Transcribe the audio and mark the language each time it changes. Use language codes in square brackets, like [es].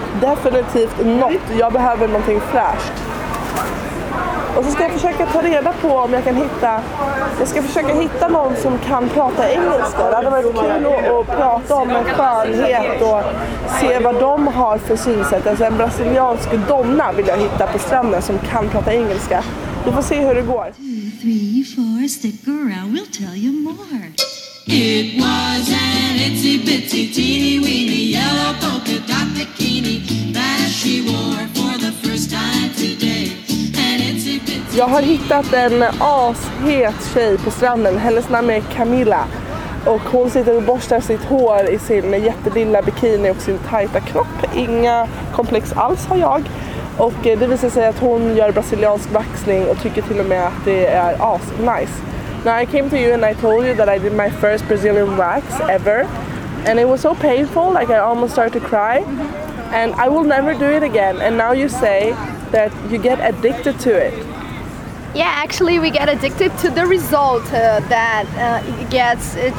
[sv] Definitivt något. Jag behöver någonting fräscht. Och så ska jag försöka ta reda på om jag kan hitta... Jag ska försöka hitta någon som kan prata engelska. Det hade varit kul att prata om en skönhet och se vad de har för synsätt. Alltså en brasiliansk donna vill jag hitta på stranden som kan prata engelska. Vi får se hur det går. [en] 2, 3, 4, stick around, we'll tell you more. It was an itsy bitsy teeny weeny yellow polka dot bikini that she wore for the first time today. [sv] Jag har hittat en ashet tjej på stranden. Hennes namn är Camilla. Och hon sitter och borstar sitt hår i sin jättelilla bikini och sin tajta kropp. Inga komplex alls har jag. Och det visar sig att hon gör brasiliansk vaxning och tycker till och med att det är nice. [en] Now I came to you and I told you that I did my first Brazilian wax ever. And it was so painful, like I almost started to cry. And I will never do it again. And now you say that you get addicted to it. Yeah, actually we get addicted to the result that gets.